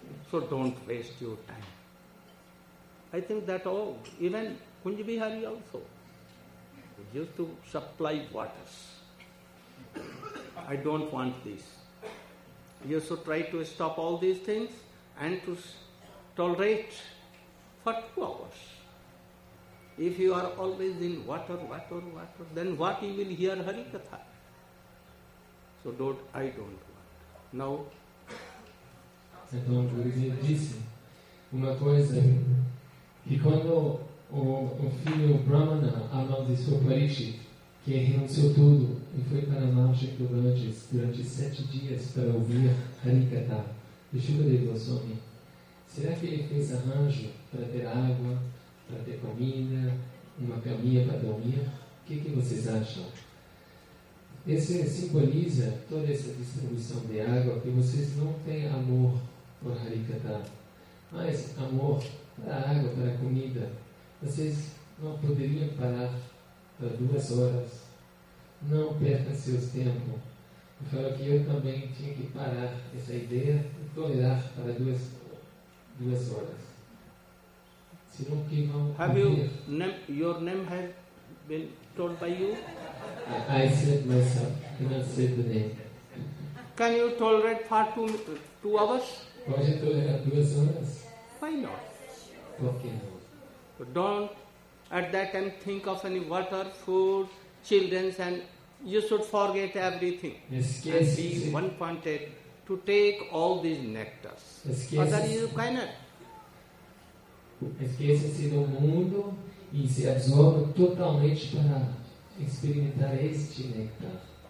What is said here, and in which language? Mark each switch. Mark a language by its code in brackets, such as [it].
[en] So don't waste your time. I think that even Kunja Bihari also used to supply waters. I don't want this. You should try to stop all these things and to tolerate for 2 hours. If you are always in water, then what you will hear Harikatha? So I don't want. Now, [pt] então, Guruji disse uma coisa, que quando o filho Brahmana amaldiçoou Parikshit, que renunciou tudo e foi para a marcha do Ganges durante 7 dias para ouvir Harikatha de Shukadeva Goswami. Será que ele fez arranjo para ter água, para ter comida, uma caminha para dormir? O que vocês acham? Esse simboliza toda essa distribuição de água, que vocês não têm amor por Harikatha, mas amor para a água, para a comida. Vocês não poderiam parar para 2 horas. Não perca seu tempo. Eu falo que eu também tinha que parar essa ideia e tolerar para 2 horas. Se não que não. [en] Have you your name has been told by you? I said myself. I cannot say the name. Can you tolerate for 2 hours? [pt] Pode tolerar 2 horas? [en] Why not? [pt] Por que não? [en] Don't at that time think of any water, food, children, and you should forget everything. [pt] Esquece [en] and be one pointed to take all these nectars. Other you cannot. [pt] Esquece-se do mundo e se absorve totalmente para experimentar este néctar.